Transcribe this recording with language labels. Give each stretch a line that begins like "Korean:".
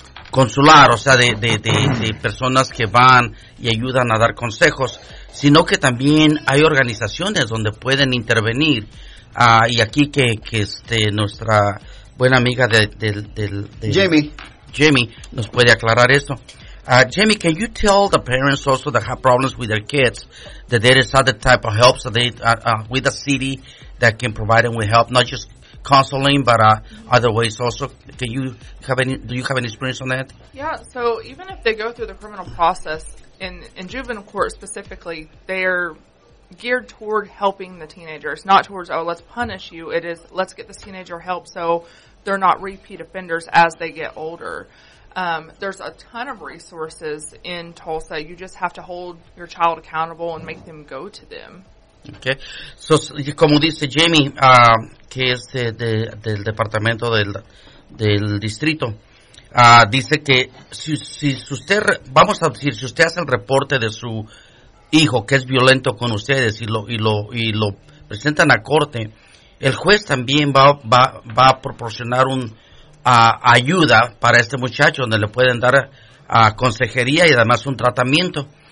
Spanish: consular, o sea, de personas que van y ayudan a dar consejos, sino que también hay organizaciones donde pueden intervenir, y aquí que nuestra buena amiga de Jamie nos puede aclarar eso.
English: Jamie, can you tell the parents also that have problems with their kids that there is other type of help that they with the city that can provide them with help, not just counseling, but other ways also? Do you have any experience on that? Yeah, so even if they go through the criminal process, in juvenile court specifically, they're geared toward helping the teenagers, not towards, oh, let's punish you. It is, let's get this teenager help so they're not repeat offenders as they get older. There's a ton of resources in Tulsa. You just have to hold your child accountable and make them go to them. Okay.
Spanish: So, como dice Jamie, que es del departamento del distrito, dice que si usted, vamos a decir, si usted hace el reporte de su hijo que es violento con ustedes y lo presentan a corte, el juez también va a proporcionar ayuda para este muchacho, donde le pueden dar consejería y además un tratamiento.